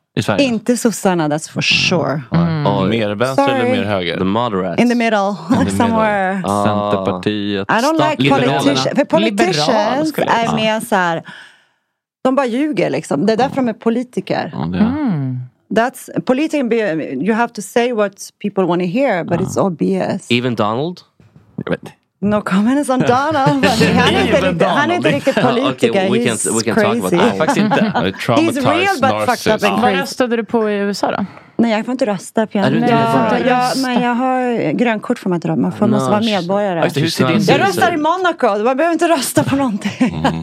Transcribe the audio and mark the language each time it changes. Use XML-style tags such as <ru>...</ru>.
<sv>I Sverige? Inte sossarna,</sv> <en>that's for sure.</en> <sv>Mer vänster eller mer höger?</sv> <en>The moderates. In the middle, like somewhere.</en> <sv>Centerpartiet.</sv> <en>I don't like politicians.</en> <sv>För politicians är mer så här, de bara ljuger liksom. Det är därför de är politiker.</sv> <en>That's politician, you have to say what people want to hear, but it's all BS. Even Donald? No comments on Donald.</en> <sv>Han är inte riktigt politiker.</sv> <en>He's real but fucked up and crazy.</en> <sv>Vad röstade du på i USA då? Nej, jag får inte rösta. Men jag har grönkort för mig att rösta. Man måste vara medborgare. Jag röstar i Monaco. Man behöver inte rösta på någonting.</sv>